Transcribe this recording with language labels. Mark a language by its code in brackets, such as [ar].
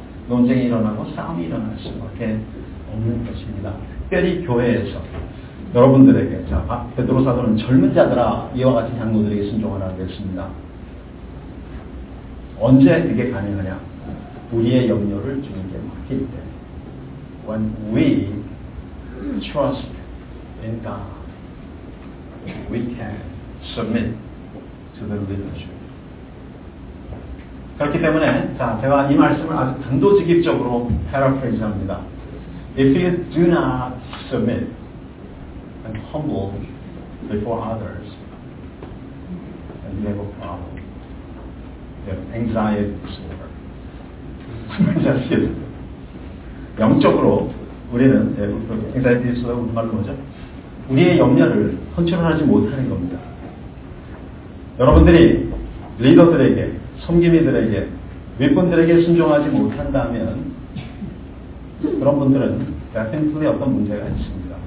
[ko] 논쟁이 일어나고 싸움이 일어날 수밖에 없는 것입니다. 특별히 교회에서 여러분들에게, 자, 베드로 사도는 젊은 자들아 이와 같이 장로들에게 순종하라 그랬습니다. 언제 그게 가능하냐? 우리의 염려를 주님께 맡길 때. [en] When we trust in God, we can submit to the leadership. [ko] 그렇기 때문에, 자, 제가 이 말씀을 아주 단도직입적으로 paraphrase 합니다. [en] If you do not submit and humble before others, then you have a problem. Anxiety disorder. [ko] 무슨 말인지 아시겠어요? 영적으로 우리는 anxiety disorder 무슨 말로 뭐죠? 우리의 염려를 컨트롤하지 못하는 겁니다. 여러분들이 리더들에게, 섬김이들에게, 윗분들에게 순종하지 못한다면 그런 분들은 definitely 어떤 문제가 있습니다.